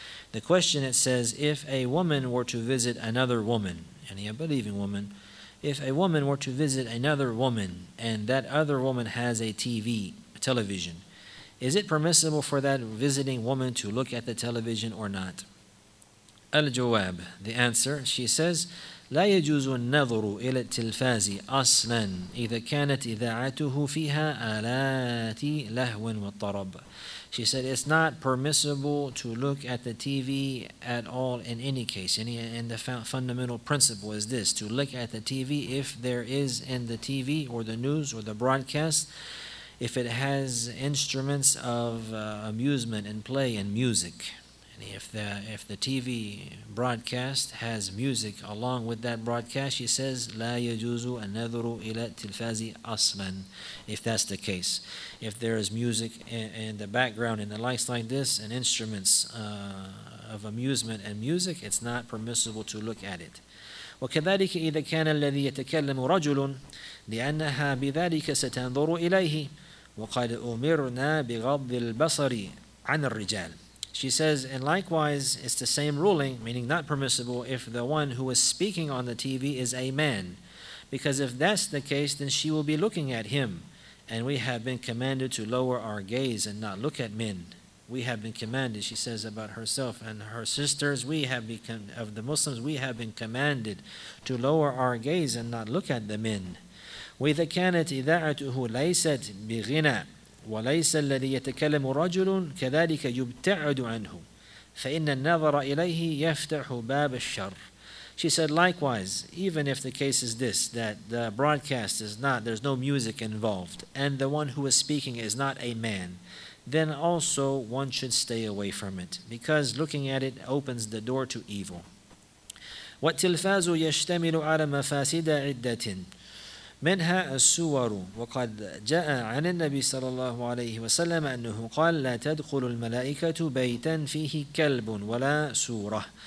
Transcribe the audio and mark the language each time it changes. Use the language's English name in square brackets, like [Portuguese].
[English] The question, it says, if a woman were to visit another woman, any believing woman, if a woman were to visit another woman, and that other woman has a TV, a television, is it permissible for that visiting woman to look at the television or not? [Arabic] Al-Jawab, [English] the answer, she says, [Arabic] لا يجوز النظر إلى التلفاز أصلا إذا كانت إذاعته فيها آلات لهو والطرب. [English] She said, it's not permissible to look at the TV at all in any case. And the fundamental principle is this, to look at the TV if there is in the TV or the news or the broadcast, if it has instruments of amusement and play and music. If the TV broadcast has music along with that broadcast, she says, [Arabic] لا يجوز النظر إلى التلفاز أصلا, [English] if that's the case. If there is music in the background and the likes like this, and instruments of amusement and music, it's not permissible to look at it. [Arabic] وكذلك إذا كان الذي يتكلم رجل لأنها بذلك ستنظر إليه وقد أمرنا بغض البصر عن الرجال. [English] She says, and likewise, it's the same ruling, meaning not permissible, if the one who is speaking on the TV is a man. Because if that's the case, then she will be looking at him. And we have been commanded to lower our gaze and not look at men. We have been commanded, she says about herself and her sisters, of the Muslims, we have been commanded to lower our gaze and not look at the men. [Arabic] وَإِذَا كَانَتْ إِذَاعَتُهُ لَيْسَتْ بِغِنَى وليس الذي يتكلم رجل كذلك يبتعد عنه فإن النظر إليه يفتح باب الشر. [English] She said, likewise, even if the case is this, that the broadcast is not, there's no music involved, and the one who is speaking is not a man, then also one should stay away from it, because looking at it opens the door to evil. [Arabic] والتلفاز يشتمل على مفاسد عدة. منها السور وقد جاء عن النبي صلى الله عليه وسلم أنه قال لا تدخل الملائكة بيتا فيه كلب ولا سورة.